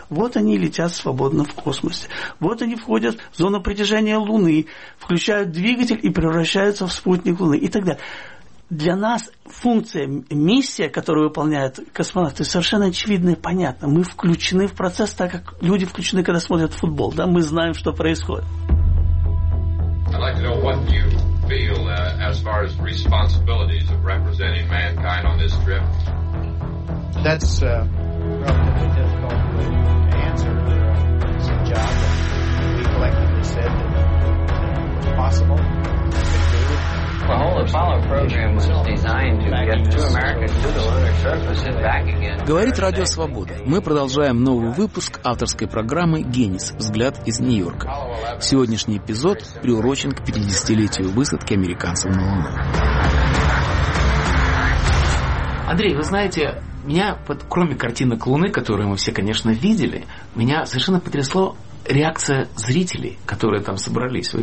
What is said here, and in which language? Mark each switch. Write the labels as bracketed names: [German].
[Russian] Вот они летят свободно в космосе. Вот они входят в зону притяжения Луны, включают двигатель и превращаются в спутник Луны и так далее. Для нас функция, миссия, которую выполняют космонавты, совершенно очевидна и понятна. Мы включены в процесс, так как люди включены, когда смотрят футбол. Да? Мы знаем, что происходит. [English] I'd like to know what you feel as far as responsibilities of representing mankind on this trip. That's relatively difficult to answer. It's a job that we collectively said that was possible. The whole Apollo program was designed to get two Americans to the lunar surface and back again. [Russian] Говорит Радио Свобода. Мы продолжаем новый выпуск авторской программы «Генис. Взгляд из Нью-Йорка». Сегодняшний эпизод приурочен к 50-летию высадки американцев на Луну. Андрей, вы знаете, меня, кроме картинок Луны, которые мы все, конечно, видели, меня совершенно потрясло реакция зрителей, которые там собрались.